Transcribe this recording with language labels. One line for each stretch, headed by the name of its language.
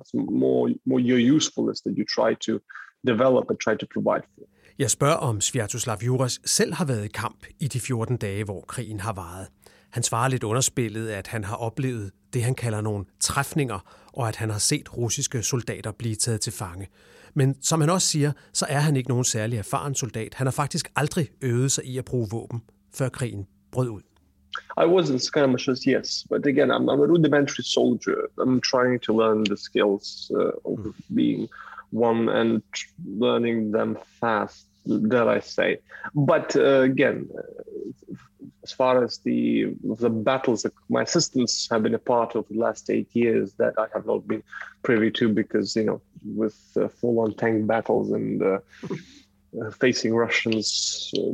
English: It's more your usefulness that you try to develop and try to provide for.
Danish: Jeg spørger, om Sviatoslav Juras selv har været i kamp i de 14 dage, hvor krigen har varet. Han svarer lidt underspillet, at han har oplevet det, han kalder nogle træfninger, og at han har set russiske soldater blive taget til fange. Men som han også siger, så er han ikke nogen særlig erfaren soldat. Han har faktisk aldrig øvet sig i at bruge våben, før krigen brød ud.
English: I was in skirmishes, yes, but again, I'm a rudimentary soldier. I'm trying to learn the skills of being one and learning them fast, that I say. But again, as far as the battles that my assistants have been a part of the last 8 years that I have not been privy to because, with full-on tank battles and facing Russians,